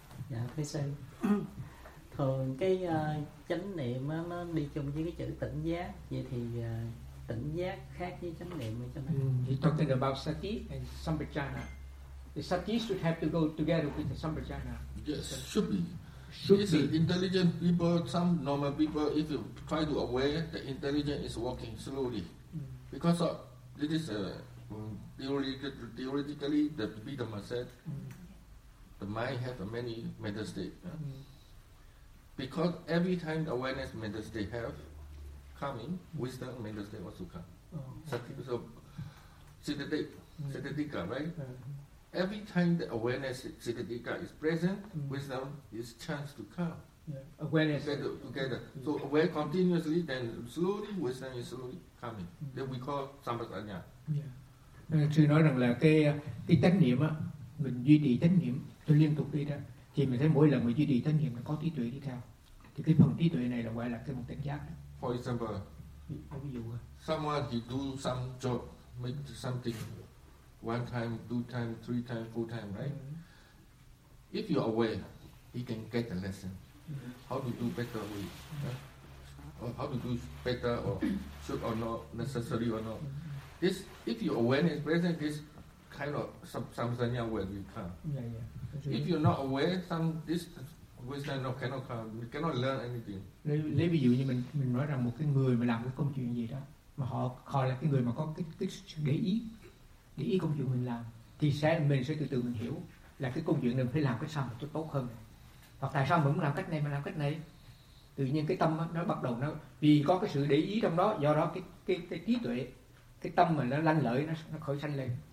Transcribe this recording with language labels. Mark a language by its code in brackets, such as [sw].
[vi] Dạ thưa sư, thường cái chánh niệm nó đi chung với cái chữ tỉnh giác, vậy thì tỉnh giác khác với chánh niệm cho [en] nên. You talking about sati and sampajana. The sati should have to go together with the sampajana. Yes, should be. It's intelligent people, some normal people, if you try to aware, the intelligent is walking slowly. Because of, this is theoretically, the Buddha said, the mind has many mental states. Because every time the awareness mental state have coming, wisdom mental state also come. So, siddhatika, right? Every time the awareness siddhatika is present, wisdom is chance to come. Yeah. Awareness together. Yeah. So aware continuously, then slowly wisdom is slowly coming. Then we call sampajanya. [vi] Yeah. Sư nói rằng là cái chánh niệm á, mình duy trì chánh niệm cho liên tục đi đó, thì mình thấy mỗi lần mình duy trì chánh niệm mình có trí tuệ đi theo, thì cái phần trí tuệ này là gọi là cái phần tỉnh giác. [en] For example, someone he do some job, make something one time, two time, three time, four time, right? Mm-hmm. If you're aware, he can get the lesson. Mm-hmm. How to do better way, mm-hmm. or how to do better or should or not necessary or not. Mm-hmm. This, if your awareness present, this kind of samsanya will come. Yeah, yeah. If you're not aware, this wisdom cannot come. We cannot learn anything. [vi] Lấy ví dụ như mình nói rằng một cái người mà làm cái công chuyện gì đó, mà họ là cái người mà có cái để ý công chuyện mình làm, thì mình sẽ từ từ mình hiểu là cái công chuyện này mình phải làm cái sao mà tốt hơn này. Hoặc tại sao mình muốn làm cách này mà làm cách này. Tự nhiên cái tâm nó bắt đầu nó vì có cái sự để ý trong đó, do đó cái trí tuệ, cái tâm mình nó lanh lợi, nó khởi sanh lên.